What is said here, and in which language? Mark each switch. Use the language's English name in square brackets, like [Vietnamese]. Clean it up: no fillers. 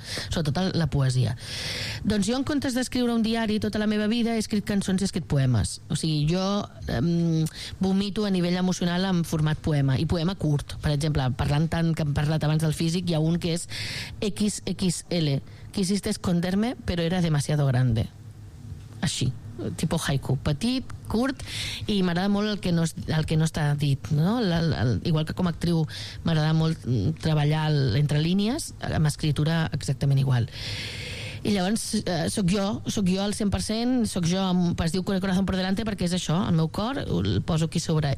[Catalan] Sobretot la poesia. Doncs jo, en comptes d'escriure un diari tota la meva vida, he escrit cançons i he escrit poemes. O sigui, jo vomito a nivell emocional en format poema, i poema curt. Per exemple, parlant tant que hem parlat abans del físic, hi ha un que és XXL. [Spanish] Quisiste esconderme, pero era demasiado grande. [Catalan] Així, tipo haiku. Petit, curt, i m'agrada molt el que no està dit, no? Igual que com a actriu m'agrada molt treballar entre línies, amb escriptura exactament igual. I llavors sóc jo al 100%, sóc jo, es diu Corazón por delante, perquè és això, el meu cor el poso aquí sobre.